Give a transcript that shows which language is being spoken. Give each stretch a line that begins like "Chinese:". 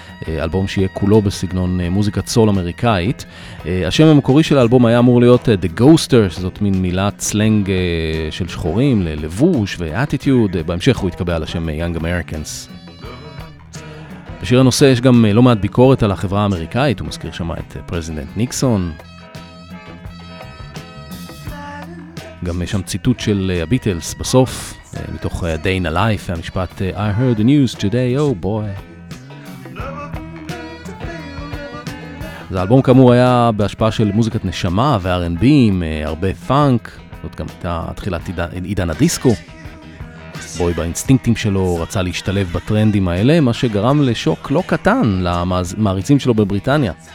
Hebrew: אלבום שיהיה כולו בסגנון מוזיקת סול אמריקאית. השם המקורי של האלבום היה אמור להיות The Ghoster, שזאת מין מילת סלנג של שחורים ללבוש ו-attitude. בהמשך הוא התקבע על השם Young Americans. בשיר הנושא יש גם לא מעט ביקורת על החברה האמריקאית, הוא מזכיר שמה את פרזידנט ניקסון. גם יש שם ציטוט של הביטלס בסוף, מתוך Day in a Life, המשפט
English: I heard the news today, oh boy.
Hebrew: אז האלבום כאמור היה בהשפעה של מוזיקת נשמה ו-R&B עם הרבה פאנק, זאת גם הייתה תחילת עידן הדיסקו. בואי באינסטינקטים שלו רצה להשתלב בטרנדים האלה, מה שגרם לשוק לא קטן למעריצים שלו בבריטניה.